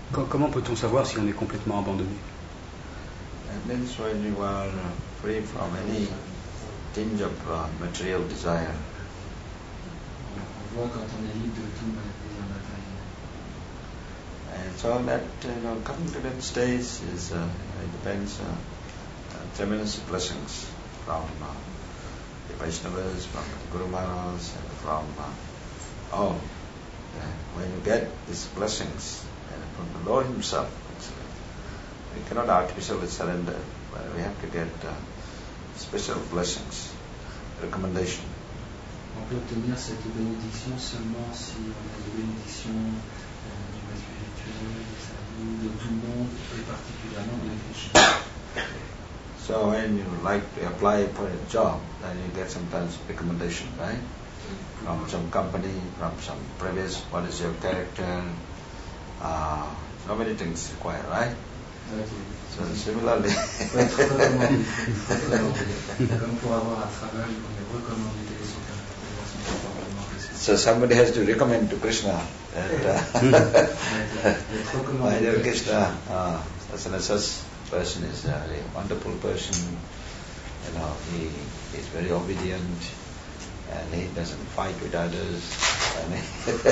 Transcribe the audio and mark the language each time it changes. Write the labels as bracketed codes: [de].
[fr] Comment peut-on savoir si on est complètement abandonné? [en] That means when you are free from any tinge of material desire. [fr] On voit quand on est libre de tout désir matériel. [en] And so that coming to that stage is it depends. Tremendous blessings from the Vaishnavas, from the Guru Maharaj, and from all. When you get these blessings from the Lord Himself, we cannot artificially surrender, but we have to get special blessings, recommendation. [fr] On peut obtenir cette bénédiction seulement si on a des bénédictions du spirituel, de tout le monde, et particulièrement de Krishna. [en] So when you like to apply for a job, then you get sometimes recommendation, right? From some company, from some previous, what is your character? So many things require, right? So similarly, so somebody has to recommend to Krishna that my dear Krishna, as an SS person is a really wonderful person, you know, he is very obedient and he doesn't fight with others.